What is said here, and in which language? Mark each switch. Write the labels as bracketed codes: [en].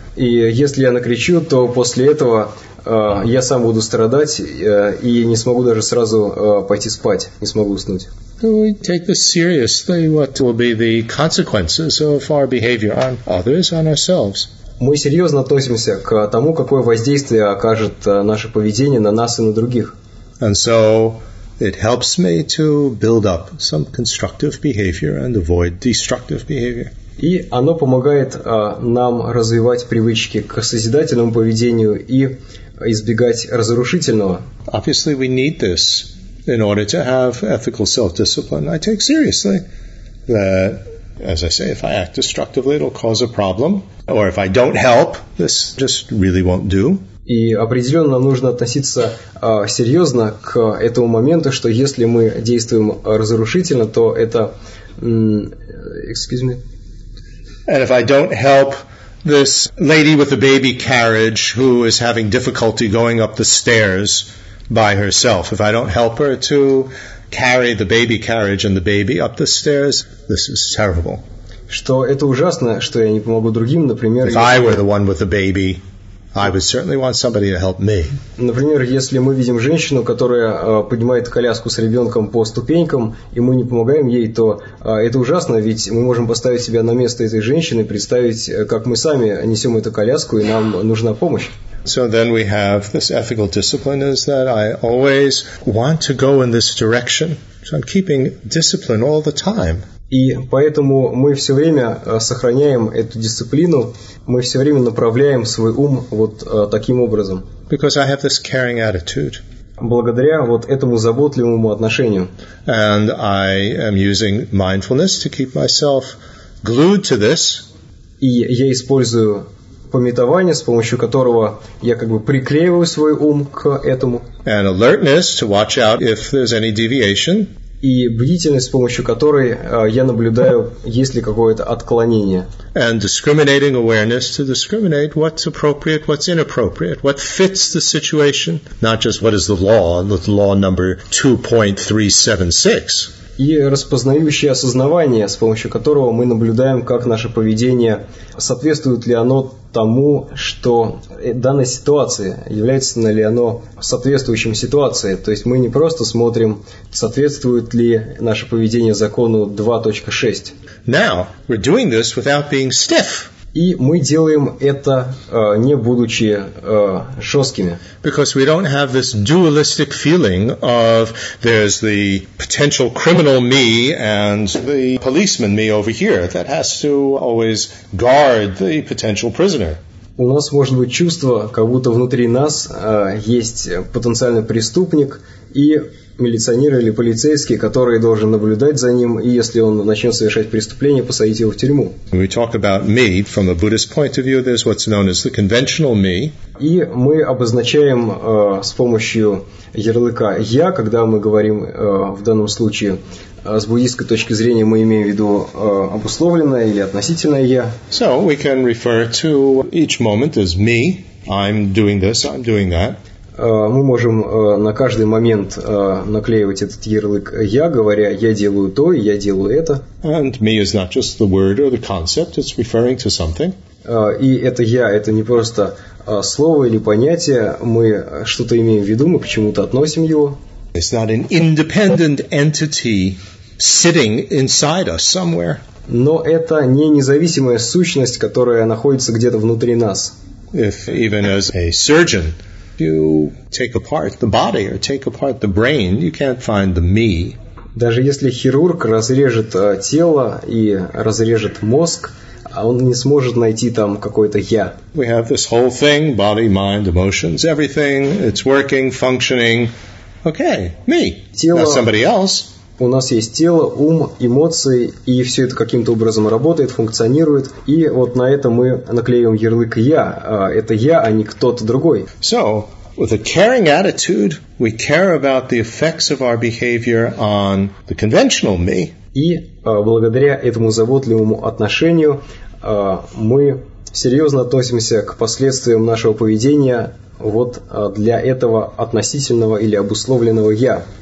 [ru] И если я накричу, то после этого я сам буду страдать, и не смогу даже сразу пойти спать, не смогу уснуть. [en] We take this seriously. What will be the consequences of our behavior on others, on ourselves? [ru] Мы серьезно относимся к тому, какое воздействие окажет наше поведение на нас и на других. [en] And so it helps me to build up some constructive behavior and avoid destructive behavior. [ru] И оно помогает нам развивать привычки к созидательному поведению и избегать разрушительного. [en] Obviously, we need this in order to have ethical self-discipline. I take seriously that, as I say, if I act destructively, it'll cause a problem. Or if I don't help, this just really won't do. [ru] И определенно нам нужно относиться серьезно к этому моменту, что если мы действуем разрушительно, то это... [en] excuse me. And if I don't help this lady with a baby carriage who is having difficulty going up the stairs by herself, if I don't help her to carry the baby carriage and the baby up the stairs, this is terrible. [ru] Что это ужасно, что я не помогу другим, например... [en] If I were the one with the baby, I would certainly want somebody to help me. [ru] Например, если мы видим женщину, которая поднимает коляску с ребенком по ступенькам, и мы не помогаем ей, то это ужасно, ведь мы можем поставить себя на место этой женщины, представить, как мы сами несем эту коляску, и нам нужна помощь. [en] So then we have this ethical discipline is that I always want to go in this direction. So I'm keeping discipline all the time. [ru] И поэтому мы все время сохраняем эту дисциплину, мы все время направляем свой ум вот таким образом. [en] Because I have this caring attitude. [ru] Благодаря вот этому заботливому отношению. [en] And I am using mindfulness to keep myself glued to this. [ru] И я использую памятование, с помощью которого я как бы приклеиваю свой ум к этому. [en] And alertness to watch out if there's any deviation. [ru] И бдительность, с помощью которой я наблюдаю, есть ли какое-то отклонение. [en] And discriminating awareness to discriminate what's appropriate, what's inappropriate, what fits the situation, not just what is the law number 2.376. [ru] И распознающее осознавание, с помощью которого мы наблюдаем, как наше поведение, соответствует ли оно тому, что данная ситуация, является ли оно соответствующим ситуации. То есть мы не просто смотрим, соответствует ли наше поведение закону 2.6. [en] Now, we're doing this without being stiff. [ru] И мы делаем это, не будучи, жесткими. [en] Because we don't have this dualistic feeling of there's the potential criminal me and the policeman me over here that has to always guard the potential prisoner. [ru] У нас может быть чувство, как будто внутри нас есть потенциальный преступник и милиционер или полицейский, который должен наблюдать за ним, и если он начнет совершать преступление, посадить его в тюрьму. [en] When we talk about me, from a Buddhist point of view, there's what's known as the conventional me. [ru] И мы обозначаем с помощью ярлыка «я», когда мы говорим в данном случае с буддийской точки зрения, мы имеем в виду обусловленное или относительное «я». [en] So we can refer to each moment as me. I'm doing this, I'm doing that. [ru] Мы можем на каждый момент наклеивать этот ярлык «я», говоря «я делаю то» и «я делаю это». [en] And me is not just the word or the concept, it's referring to something. [ru] И это «я» — это не просто слово или понятие, мы что-то имеем в виду, мы к чему-то относим его. [en] It's not an independent entity sitting inside us somewhere. [ru] Но это не независимая сущность, которая находится где-то внутри нас. [en] If even as a surgeon... You take apart the body or take apart the brain, you can't find the me. [ru] Даже если хирург разрежет тело и разрежет мозг, он не сможет найти там какое-то я. [en] We have this whole thing, body, mind, emotions, everything, it's working, functioning. Okay, me, [ru] тело, [en] not somebody else. [ru] У нас есть тело, ум, эмоции, и все это каким-то образом работает, функционирует. И вот на это мы наклеиваем ярлык «я». Это «я», а не кто-то другой. [en] So, with a caring attitude, we care about the effects of our behavior on the conventional me. [ru] И благодаря этому заботливому отношению мы серьезно относимся к последствиям нашего поведения вот для этого относительного или обусловленного «я».